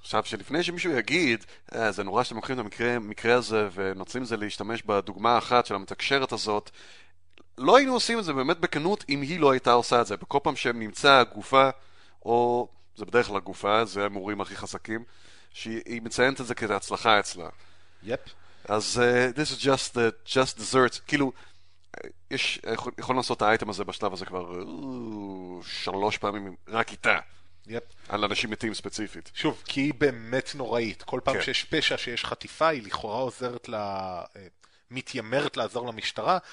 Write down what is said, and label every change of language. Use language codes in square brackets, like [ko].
[he] עכשיו, שלפני שמישהו יגיד, זה נורא שאתם מוכרים את המקרה הזה ונוצרים זה להשתמש בדוגמה אחת של המתקשרת הזאת, לא היינו עושים את זה באמת בקנות אם היא לא הייתה עושה את זה. בכל פעם שהם נמצא הגופה, או זה בדרך כלל הגופה, זה המורים הכי חזקים, שהיא מציינת את זה כהצלחה אצלה. Yep. [en] אז this is just the just desserts. [he] כאילו, יש, יכול לעשות את האייטם הזה בשלב הזה כבר שלוש פעמים רק איתה. Yep. על אנשים מתים ספציפית. שוב, כי היא באמת נוראית. כל פעם okay. שיש פשע, שיש חטיפה, היא לכאורה עוזרת לה, מתיימרת לעזור למשטרה.